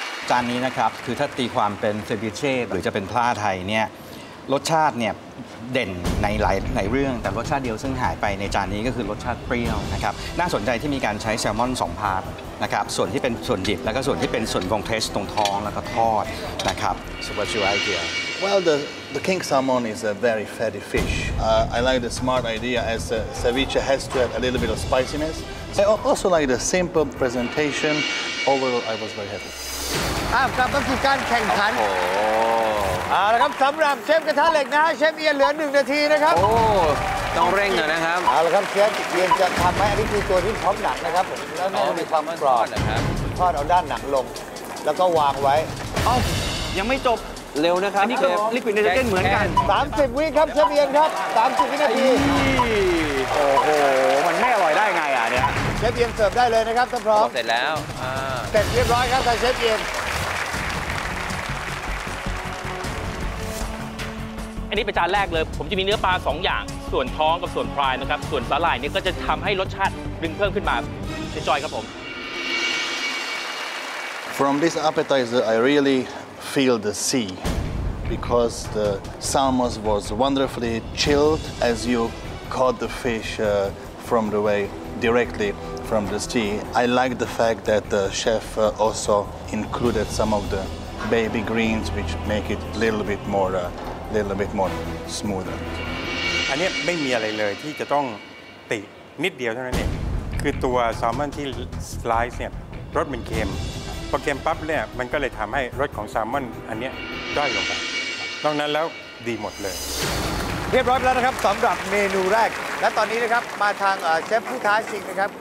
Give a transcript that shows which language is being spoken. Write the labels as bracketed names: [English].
[Thai] จานนี้นะครับคือถ้าตีความเป็นเซบิเช่หรือจะเป็นพลาไทยเนี่ยรสชาติเนี่ยเด่นในหลายในเรื่องแต่รสชาติเดียวซึ่งหายไปในจานนี้ก็คือรสชาติเปรี้ยวนะครับน่าสนใจที่มีการใช้แซลมอน2พาร์ทนะครับส่วนที่เป็นส่วนดิบแล้วก็ส่วนที่เป็นส่วนวงเทสตรงท้องแล้วก็ทอดนะครับ [English] So what's your idea? Well, the king salmon is a very fatty fish. I like the smart idea as a ceviche has to have a little bit of spiciness. I also like the simple presentation. Overall, I was very happy. [Thai] กลับมาสู่การแข่งขันเอาละครับสำหรับเชฟกระทะเหล็กนะฮะเชฟเอียนเหลือ1นาทีนะครับ โอ้ต้องเร่งนะครับ เอาละครับเชฟเอียนจะทำให้อันนี้คือตัวที่พร้อมหนักนะครับผมแล้วแน่นมีความกรอบ นะครับ ทอดเอาด้านหนังลงแล้วก็วางไว้เอ้ายังไม่จบ เร็วนะครับ นี่ก็ลิควิดไนโตรเจนเหมือนกัน 30วินาทีครับเชฟเอียนครับ30วินาที โอ้โหมันไม่อร่อยได้ไงอ่ะเนี่ย เชฟเอียนเสิร์ฟได้เลยนะครับถ้าพร้อม เสร็จแล้ว เสร็จเรียบร้อยครับท่านเชฟเอียน อันนี้เป็นจานแรกเลยผมจะมีเนื้อปลา2อย่างส่วนท้องกับส่วนปลายนะครับส่วนสาหร่ายเนี่ยก็จะทำให้รสชาติดึงเพิ่มขึ้นมาเอนจอยครับผม [English] From this appetizer I really feel the sea because the salmon was wonderfully chilled as you caught the fish from the way directly from this tea. I like the fact that the chef also included some of the baby greens, which make it a little bit more, smoother. [Thai] อันนี้ไม่มีอะไรเลยที่จะต้องตินิดเดียวเท่านั้นเองคือตัวแซลมอนที่สไลซ์เนี่ยรสมันเค็มพอเค็มปั๊บเนี่ยมันก็เลยทำให้รสของแซลมอนอันนี้ด้อยลงไปนอกนั้นแล้วดีหมดเลย เรียบร้อยแล้วนะครับสำหรับเมนูแรกและตอนนี้นะครับมาทางเชฟผู้ท้าชิงนะครับ